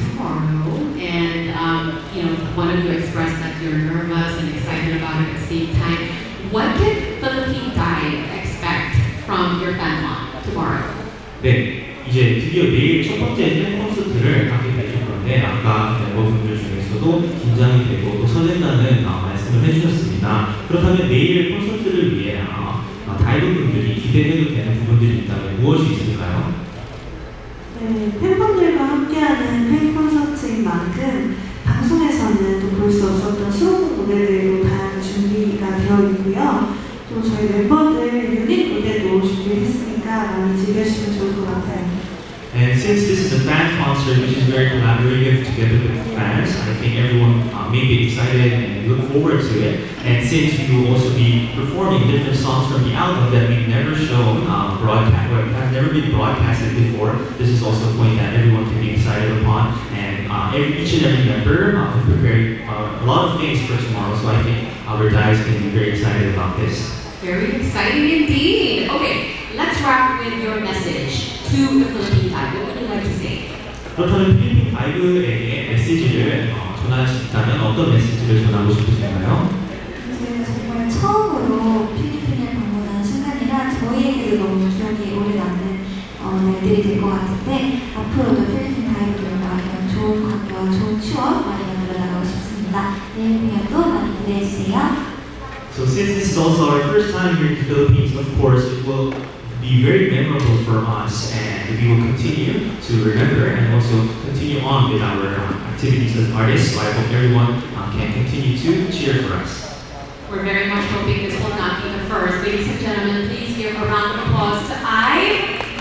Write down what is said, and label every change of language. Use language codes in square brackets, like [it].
[en] know, one of you expressed that you're nervous and excited about it at the same time. What can Philippine Dive expect from your panel tomorrow? [ko] 네, 이제 드디어 내일 첫 번째 해외 콘서트를 하게 되신 건데 아까 멤버분들 중에서도 긴장이 되고 또 설렌다는 말씀을 해주셨습니다. 그렇다면 내일 콘서트를 위해 다이브분들이 기대해도 되는 부분들이 있다면 무엇이 있을까요? 네, 팬분들과 함께하는 팬 콘서트인 만큼 방송에서는 또 볼 수 없었던 수록곡 무대들도 다양한 준비가 되어 있고요. 또 저희 멤버들 유닛 무대도 준비했으니까 많이 즐겨주시면 좋을 것 같아요. [en] And since this is a fan concert, which is very collaborative together with fans, I think everyone may be excited and look forward to it. And since we will also be performing different songs from the album that we've never shown broadcast, or have never been broadcasted before, this is also a point that everyone can be excited upon. And each and every member have prepared a lot of things for tomorrow, so I think our guys can be very excited about this. Very exciting indeed. Okay, let's wrap with your message. To the Philippine IVE, what would you like to say? [ko] 그렇다면 필리핀 IVE에게 메시지를 전할 수 있다면 어떤 메시지를 전하고 싶으신가요? 이제 정말 처음으로 필리핀을 방문한 순간이라 저희에게도 너무 기억이 오래 남는 날들이 될 것 같은데 앞으로도 필리핀 IVE들과 좋은 관계와 좋은 추억 많이 만들어나가고 싶습니다. 내일도 많이 기대해 주세요. [en] So since this is also our first time here in the Philippines, of course, it will be very memorable for us, and we will continue to remember and also continue on with our activities as artists. So I hope everyone can continue to cheer for us. We're very much hoping this will not be the first. Ladies and gentlemen, please give a round of applause to IVE.